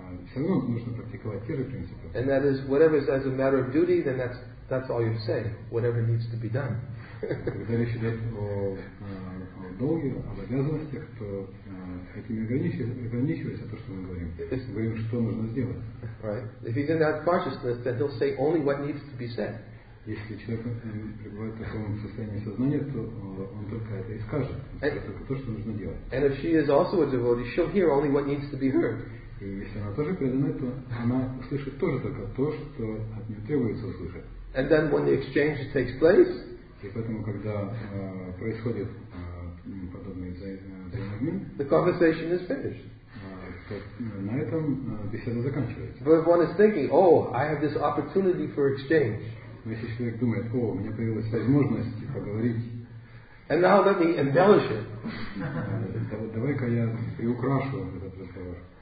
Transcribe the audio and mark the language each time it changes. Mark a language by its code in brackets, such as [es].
[ru] Все равно нужно практиковать те же принципы. [en] And that is whatever is as a matter of duty, then that's all you're saying. Whatever needs to be done. [ru] Когда речь идет о долге, об обязанностях, то этим ограничивается то, что мы говорим. Мы говорим, что нужно сделать. [en] Right. If he's in that consciousness, then he'll say only what needs to be said. [ru] Если человек пребывает в таком состоянии сознания, то он только это и скажет. Только то, что нужно делать. [en] And if she is also a devotee, she'll hear only what needs to be heard. [ru] И если она тоже преданная, то она услышит тоже только то, что от нее требуется услышать. [en] And then when the exchange takes place. [ru] И поэтому, когда происходит подобный взаимообмен, [en] the conversation is finished. [ru] На этом беседа заканчивается. [en] But if one is thinking, oh, I have this opportunity for exchange. [ru] Но если человек думает, о, у меня появилась возможность поговорить. [en] And now let me embellish it. [ru] Давай-ка я приукрашу этот разговор.